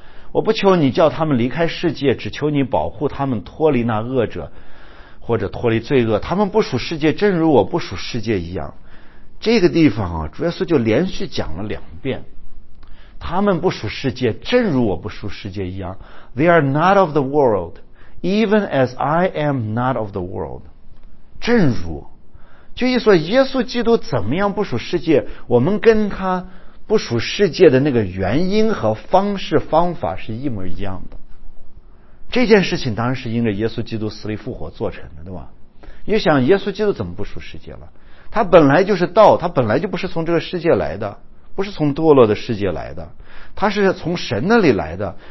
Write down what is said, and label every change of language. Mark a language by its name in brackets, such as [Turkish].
[Chinese] 我不求你叫他们离开世界，只求你保护他们脱离那恶者，或者脱离罪恶。他们不属世界，正如我不属世界一样。这个地方啊，主耶稣就连续讲了两遍，他们不属世界，正如我不属世界一样。 [English] They are not of the world, even as I am not of the world. [Chinese] 正如，就意思说耶稣基督怎么样不属世界，我们跟他不属世界的那个原因和方式方法是一模一样的。这件事情当然是因着耶稣基督死里复活做成的，对吧？你想耶稣基督怎么不属世界了，他本来就是道，他本来就不是从这个世界来的，不是从堕落的世界来的，他是从神那里来的。